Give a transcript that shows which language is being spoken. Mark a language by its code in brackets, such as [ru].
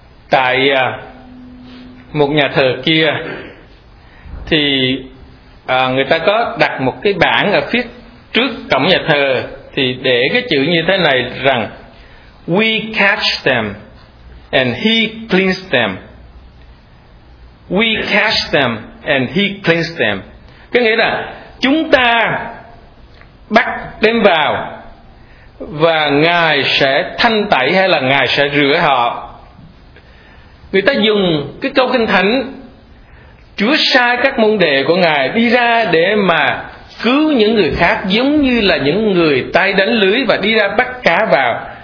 [vi] Tại một nhà thờ kia thì người ta có đặt một cái bảng ở phía trước cổng nhà thờ, thì để cái chữ như thế này rằng: [en] We catch them and he cleans them. We catch them and he cleans them. [vi] Có nghĩa là chúng ta bắt đem vào và Ngài sẽ thanh tẩy, hay là Ngài sẽ rửa họ. Người ta dùng cái câu kinh thánh: Chúa sai các môn đệ của Ngài đi ra để mà cứu những người khác, giống như là những người tay đánh lưới và đi ra bắt cá vào.